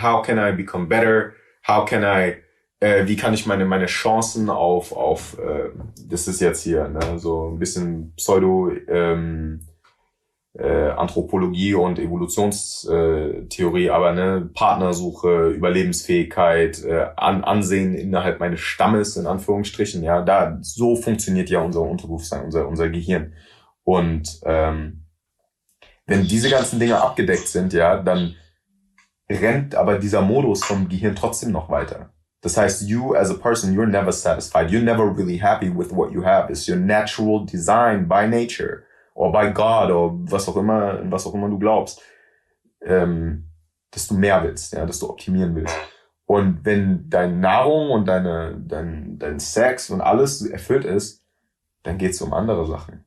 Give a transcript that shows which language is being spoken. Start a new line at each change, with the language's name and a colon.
German: How can I become better? How can I wie kann ich meine Chancen auf das ist jetzt hier, ne, so ein bisschen Pseudo Anthropologie und Evolutionstheorie, aber ne, Partnersuche, Überlebensfähigkeit, Ansehen innerhalb meines Stammes in Anführungsstrichen, ja, da so funktioniert ja unser Unterbewusstsein, unser Gehirn. Und wenn diese ganzen Dinge abgedeckt sind, ja, dann rennt aber dieser Modus vom Gehirn trotzdem noch weiter.
English: Das heißt, you as a person, you're never satisfied. You're never really happy with what you have.
German: It's your natural design by nature or by God or was auch immer du glaubst, dass du mehr willst, ja, dass du optimieren willst. Und wenn deine Nahrung und dein Sex und alles erfüllt ist, dann geht's um andere Sachen.